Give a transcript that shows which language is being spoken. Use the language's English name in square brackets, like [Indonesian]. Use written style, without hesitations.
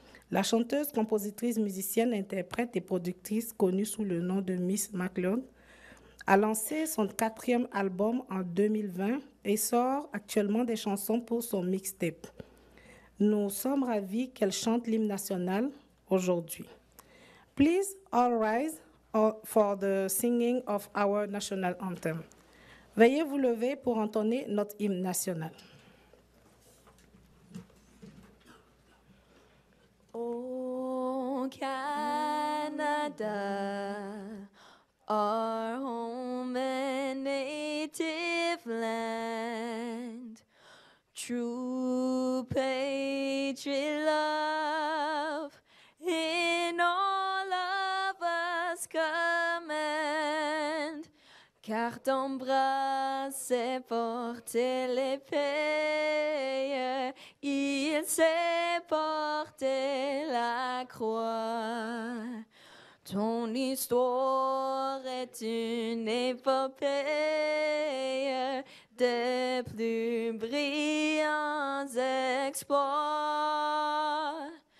[French] La chanteuse, compositrice, musicienne, interprète et productrice connue sous le nom de Miss McLeod a lancé son quatrième album en 2020 et sort actuellement des chansons pour son mixtape. Nous sommes ravis qu'elle chante l'hymne national aujourd'hui. [English] Please all rise for the singing of our national anthem. [French] Veuillez vous lever pour entonner notre hymne national. [English] Oh Canada, our home and native land, true patriot love in all of us command. [French] Car ton bras s'est porté l'épée, il s'est porté la croix. Ton histoire est une épopée des plus brillants exploits.